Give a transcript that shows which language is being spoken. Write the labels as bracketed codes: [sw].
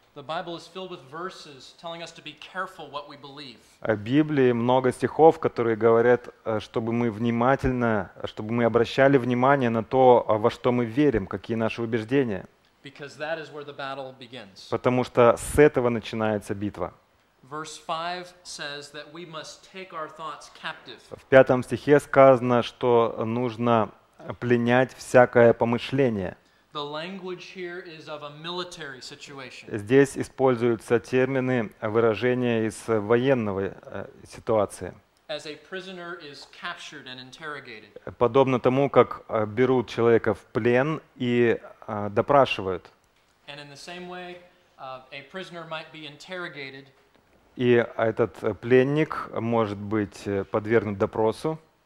[ru] В Библии много стихов, которые говорят, чтобы мы внимательно, чтобы мы обращали внимание на то, во что мы верим, какие наши убеждения. [en] Because that is where the battle begins. [ru] Потому что с этого начинается битва. [en] Verse 5 says that we must take our thoughts captive. [ru] В 5 стихе сказано, что нужно пленять всякое помышление. [en] The language here is of a military situation. [ru] Здесь используются термины, выражения из военной ситуации. [en] As a prisoner is captured and interrogated. [ru] Подобно тому, как берут человека в плен и допрашивают. [en] And in the same way, a prisoner might be interrogated. [ru] И этот пленник может быть подвергнут допросу.